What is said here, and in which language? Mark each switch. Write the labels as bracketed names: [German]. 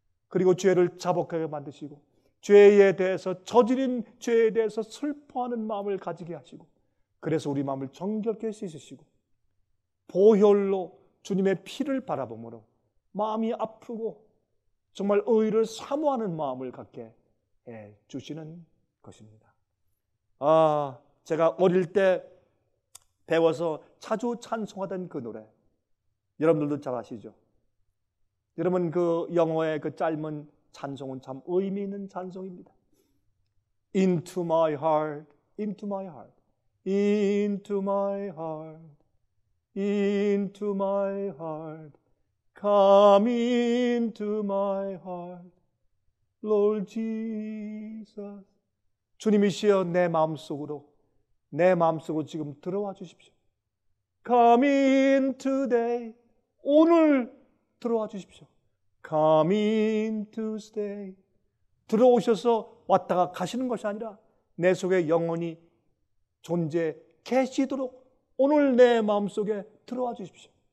[Korean] 그리고 죄를 자복하게 만드시고 죄에 대해서, 저지른 죄에 대해서 슬퍼하는 마음을 가지게 하시고 그래서 우리 마음을 정결케 씻으시고 보혈로 주님의 피를 바라보므로 마음이 아프고 정말 의를 사모하는 마음을 갖게 해주시는 것입니다. 아, 제가 어릴 때 배워서 자주 찬송하던 그 노래 여러분들도 잘 아시죠? 여러분 그 영어의 그 짧은 찬송은 참 의미 있는 찬송입니다. [English] Into my heart, into my heart, into my heart, into my heart, come into my heart, Lord Jesus. [Korean] 주님이시여 내 마음속으로, 내 마음속으로 지금 들어와 주십시오. [English] Come in today, [Korean] 오늘 들어와 주십시오. [English] Come in to stay, [Korean] 들어오셔서 왔다가 가시는 것이 아니라 내 속에 영원히 존재 계시도록 오늘 내 마음속에 들어와 주십시오.